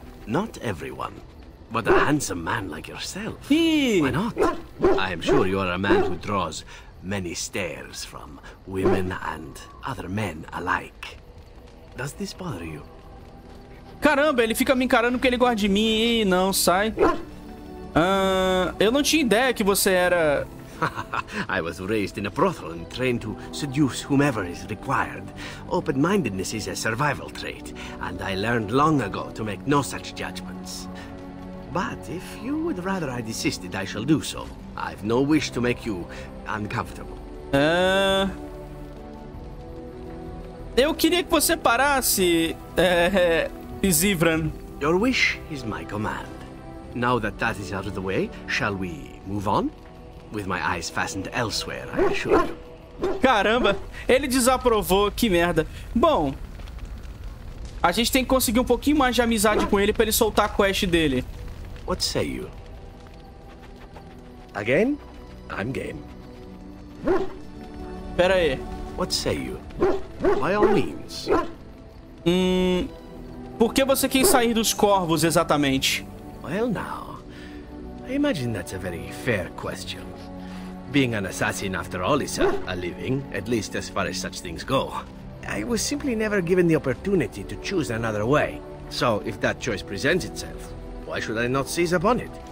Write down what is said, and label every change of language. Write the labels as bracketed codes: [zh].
[en] Not everyone, but a handsome man like yourself. Why not? I am sure you are a man who draws many stares from women and other men alike. Does this bother you? [pt] Caramba, ele fica me encarando porque ele gosta de mim. E não, sai. Eu não tinha ideia que você era... [en] I was raised in a brothel and trained to seduce whomever is required. Open-mindedness is a survival trait, and I learned long ago to make no such judgments. But if you would rather I desisted, I shall do so. I've no wish to make you uncomfortable. [pt] Eu queria que você parasse, Zivran. [en] Your wish is my command. Now that that is out of the way, shall we move on? With my eyes fastened elsewhere, I assure you. [pt] Caramba, ele desaprovou, que merda. Bom, a gente tem que conseguir um pouquinho mais de amizade com ele pra ele soltar a quest dele. [en] What say you? Again? I'm game. [pt] Pera aí. [en] What say you? By all means. [pt] Por que você quer sair dos corvos exatamente? [en] Well, now, I imagine that's a very fair question. Being an assassin, after all, is a living, at least as far as such things go. I was simply never given the opportunity to choose another way. So, if that choice presents itself, why should I not seize upon it?